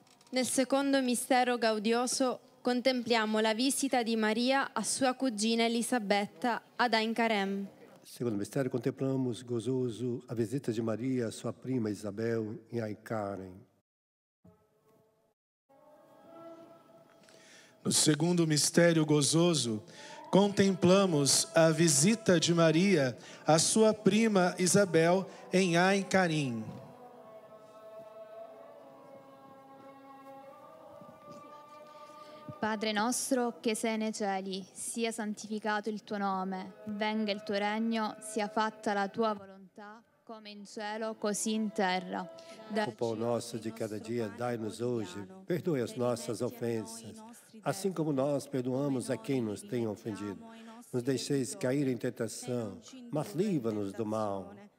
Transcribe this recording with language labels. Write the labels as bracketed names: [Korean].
[Italian] Nel secondo mistero gaudioso, contempliamo la visita di Maria a sua cugina Elisabetta ad Ain Karem. [Portuguese] Segundo mistério, contemplamos gozoso a visita de Maria a sua prima Isabel em Ain Karem. No segundo mistério gozoso, contemplamos a visita de Maria à sua prima Isabel em Ain Karem. [Italian] Padre nostro che sei nei cieli, sia santificato il tuo nome, venga il tuo regno, sia fatta la tua volontà, come in cielo, così in terra. [Portuguese] O pão nosso de cada dia, dai-nos hoje, perdoe as nossas ofensas, assim como nós perdoamos a quem nos tem ofendido. Nos deixeis cair em tentação, mas livra-nos do mal.